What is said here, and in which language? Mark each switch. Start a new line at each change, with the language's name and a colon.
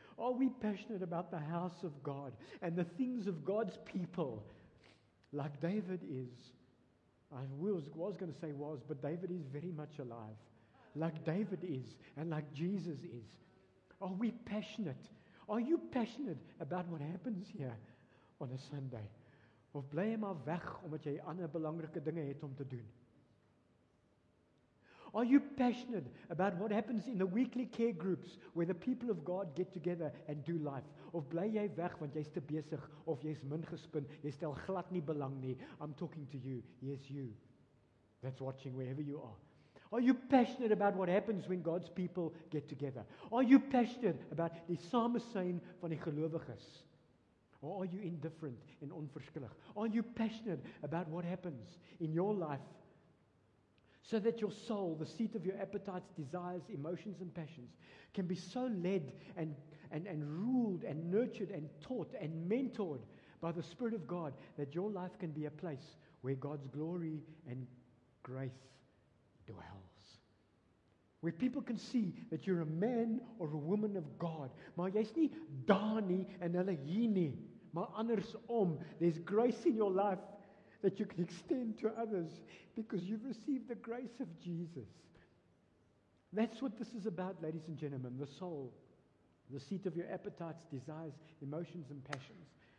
English: Are we passionate about the house of God and the things of God's people? Like David is, but David is very much alive. Like David is and like Jesus is. Are we passionate? Are you passionate about what happens here on a Sunday?
Afrikaans: Of bly jy maar weg omdat jy ander belangrike dinge het om te doen?
English: Are you passionate about what happens in the weekly care groups where the people of God get together and do life?
Afrikaans: Of bly jy weg want jy's te besig of jy's min gespin, jy stel glad nie belang nie.
English: I'm talking to you. Yes, you. That's watching wherever you are. Are you passionate about what happens when God's people get together? Are you passionate about
Afrikaans: die samesyn van die gelowiges?
English: Or are you indifferent
Afrikaans: en onverskillig?
English: Are you passionate about what happens in your life so that your soul, the seat of your appetites, desires, emotions and passions, can be so led and ruled and nurtured and taught and mentored by the Spirit of God that your life can be a place where God's glory and grace dwells. Where people can see that you're a man or a woman of God.
Afrikaans: Maar jy's nie daar nie en hulle hier nie. Maar andersom,
English: there's grace in your life that you can extend to others because you've received the grace of Jesus. That's what this is about, ladies and gentlemen. The soul, the seat of your appetites, desires, emotions, and passions.